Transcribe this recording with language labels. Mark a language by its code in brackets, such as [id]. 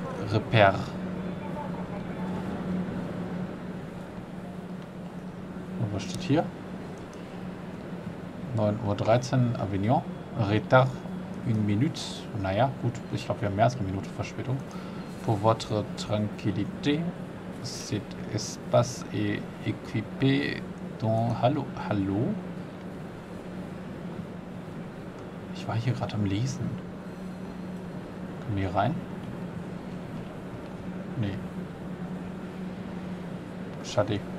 [en] Repair. [de] Und was steht hier? [fr] 9.13 Uhr Avignon. Retard. Une minute. [de] Naja, gut. Ich glaube, wir haben mehr als eine Minute Verspätung. [fr] Pour votre tranquillité, cet espace est équipé dans... [de] Hallo? Hallo? Ich war hier gerade am Lesen. Können wir hier rein? Nee. Schade.